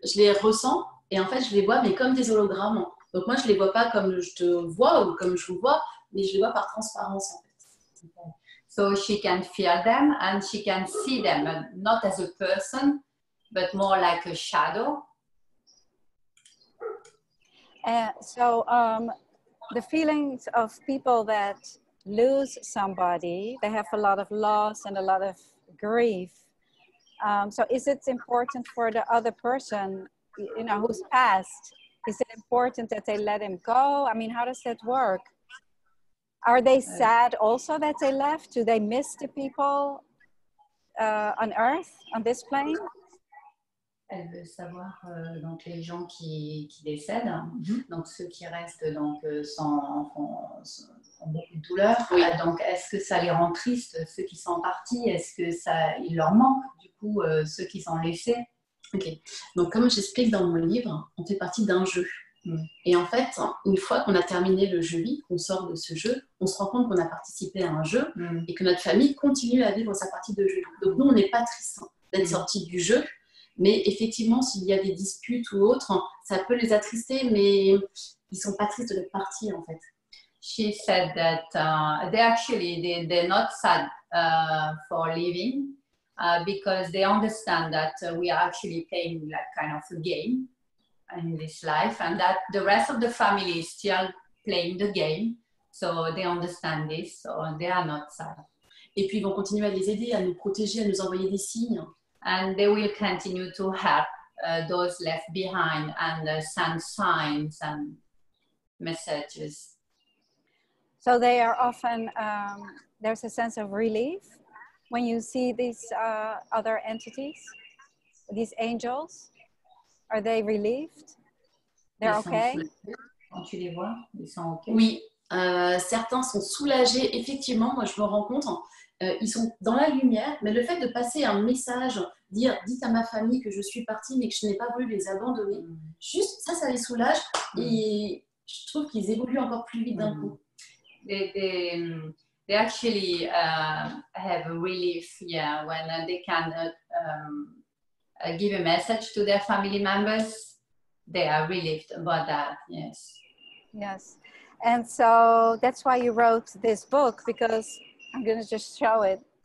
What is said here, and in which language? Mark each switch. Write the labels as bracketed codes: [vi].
[fr] Je les ressens et en fait je les vois mais comme des hologrammes. Donc moi je les vois pas comme je te vois ou comme je vous vois, mais je les vois par transparence en fait. [en] So she can feel them and she can see them, not as a person, but more like a shadow. So the feelings of people that lose somebody, they have a lot of loss and a lot of grief. So is it important for the other person, you know, who's passed, is it important that they let him go? I mean, how does that work? Are they sad also that they left? Do they miss the people on Earth, on this plane? [fr] Elle veut savoir donc les gens qui décèdent, mm-hmm. donc ceux qui restent donc sont beaucoup de douleur. Oui. Donc est-ce que ça les rend tristes ceux qui sont partis? Est-ce que ça il leur manque du coup ceux qui sont laissés? Ok. Donc comme j'explique dans mon livre, on fait partie d'un jeu. Et en fait, une fois qu'on a terminé le jeu, qu'on sort de ce jeu, on se rend compte qu'on a participé à un jeu et que notre famille continue à vivre sa partie de jeu. Donc nous, on n'est pas triste d'être sorti du jeu, mais effectivement, s'il y a des disputes ou autres, ça peut les attrister, mais ils sont pas tristes de partir en fait. [en] She said that they're not sad for leaving because they understand that we are actually playing like kind of a game in this life, and that the rest of the family is still playing the game, so they understand this, so they are not sad. [fr] Et puis ils vont continuer à les aider, à nous protéger, à nous envoyer des signes. [en] And they will continue to help those left behind and send signs and messages. So they are often, there's a sense of relief when you see these other entities, these angels. Are they relieved? They're okay? [fr] Quand tu les vois, ils sont okay. Oui, certains sont soulagés. Effectivement, moi je me rends compte, ils sont dans la lumière, mais le fait de passer un message, dites à ma famille que je suis partie, mais que je n'ai pas voulu les abandonner, juste ça les soulage et je trouve qu'ils évoluent encore plus vite d'un coup. [en] They actually have a relief, yeah, when they cannot give a message to their family members, they are relieved about that, yes. Yes, and so that's why you wrote this book, because I'm going to just show it.